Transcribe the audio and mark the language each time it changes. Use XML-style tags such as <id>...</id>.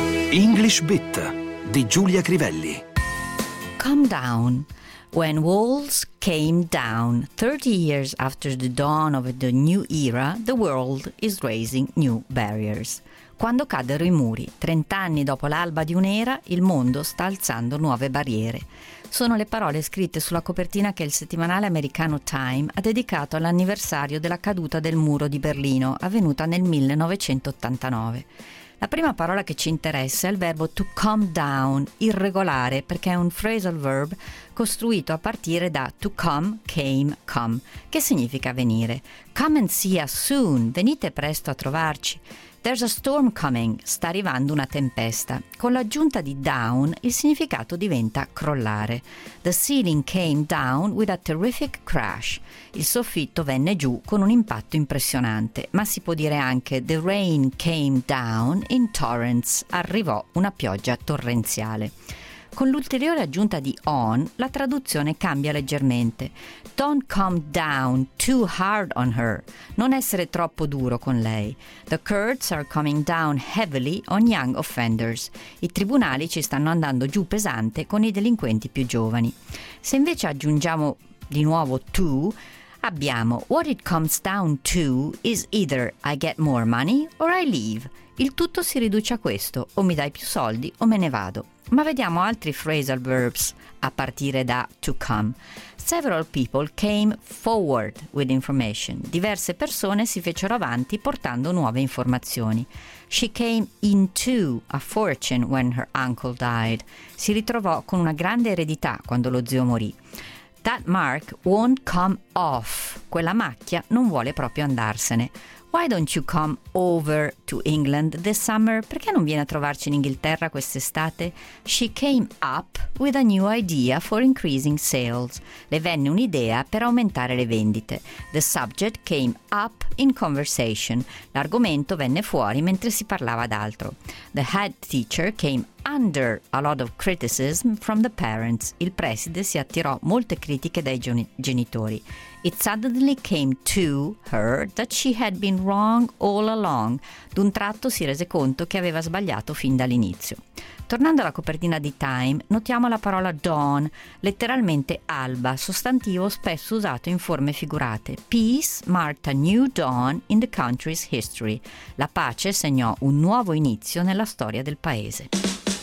<it>English Bit di Giulia Crivelli.</it> <en>Come down. When walls came down, 30 years after the dawn of the new era, the world is raising new barriers.</en> <it>Quando caddero i muri, 30 anni dopo l'alba di un'era, il mondo sta alzando nuove barriere. Sono le parole scritte sulla copertina che il settimanale americano Time ha dedicato all'anniversario della caduta del muro di Berlino, avvenuta nel 1989. La prima parola che ci interessa è il verbo to come down, irregolare, perché è un phrasal verb costruito a partire da to come, came, come, che significa venire.</it> <en>Come and see us soon,</en> <it>venite presto a trovarci.</it> <en>There's a storm coming,</en> <it>sta arrivando una tempesta. Con l'aggiunta di down, il significato diventa crollare.</it> <en>The ceiling came down with a terrific crash.</en> <it>Il soffitto venne giù con un impatto impressionante. Ma si può dire anche</it> <en>the rain came down in torrents,</en> <it>arrivò una pioggia torrenziale. Con l'ulteriore aggiunta di on, la traduzione cambia leggermente.</it> <en>Don't come down too hard on her.</en> <it>Non essere troppo duro con lei.</it> <en>The courts are coming down heavily on young offenders.</en> <it>I tribunali ci stanno andando giù pesante con i delinquenti più giovani. Se invece aggiungiamo di nuovo to, abbiamo</it> <en>what it comes down to is either I get more money or I leave.</en> <it>Il tutto si riduce a questo, o mi dai più soldi o me ne vado. Ma vediamo altri phrasal verbs a partire da to come.</it> <en>Several people came forward with information.</en> <it>Diverse persone si fecero avanti portando nuove informazioni.</it> <en>She came into a fortune when her uncle died.</en> <it>Si ritrovò con una grande eredità quando lo zio morì.</it> <en>That mark won't come off.</en> <it>Quella macchia non vuole proprio andarsene.</it> <en>Why don't you come over to England this summer?</en> <it>Perché non vieni a trovarci in Inghilterra quest'estate?</it> <en>She came up with a new idea for increasing sales.</en> <it>Le venne un'idea per aumentare le vendite.</it> <en>The subject came up in conversation.</en> <it>L'argomento venne fuori mentre si parlava d'altro.</it> <en>The head teacher came under a lot of criticism from the parents.</en> <it>Il preside si attirò molte critiche dai genitori.</it> <en>It suddenly came to her that she had been wrong all along.</en> <it>D'un tratto si rese conto che aveva sbagliato fin dall'inizio. Tornando alla copertina di Time, notiamo la parola dawn, letteralmente alba, sostantivo spesso usato in forme figurate.</it> <en>Peace marked a new dawn in the country's history.</en> <it>La pace segnò un nuovo inizio nella storia del paese.</it>